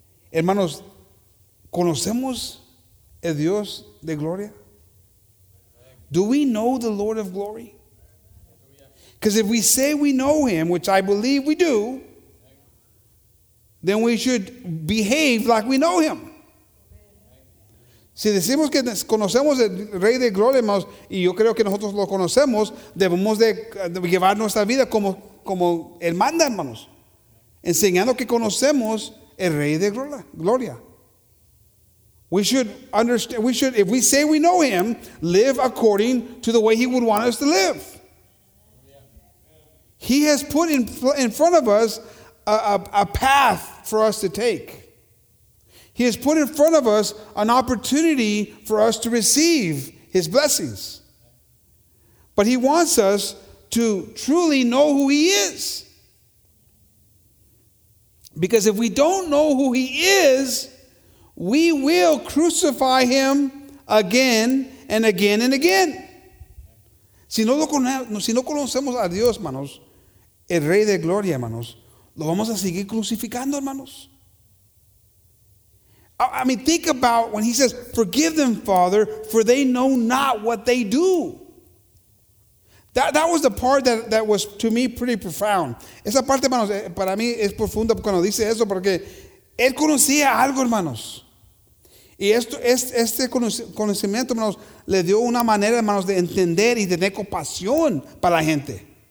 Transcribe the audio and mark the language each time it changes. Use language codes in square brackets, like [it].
[es] Hermanos, ¿conocemos el Dios de gloria? [en] Do we know the Lord of glory? Because if we say we know him, which I believe we do, then we should behave like we know him. [es] Si decimos que conocemos el Rey de Gloria, hermanos, y yo creo que nosotros lo conocemos, debemos de llevar nuestra vida como él manda, hermanos, enseñando que conocemos el Rey de Gloria. [en] We should understand, if we say we know him, live according to the way he would want us to live. He has put in front of us a path for us to take. He has put in front of us an opportunity for us to receive his blessings. But he wants us to truly know who he is. Because if we don't know who he is, we will crucify him again and again and again. [es] Si no conocemos a Dios, hermanos, el Rey de Gloria, hermanos, lo vamos a seguir crucificando, hermanos. [en] I mean, think about when he says, forgive them, Father, for they know not what they do. That was the part that was, to me, pretty profound. [es] Esa parte, hermanos, para mí es profunda cuando dice eso, porque él conocía algo, hermanos. Y este conocimiento, hermanos, le dio una manera, hermanos, de entender y de tener compasión para la gente.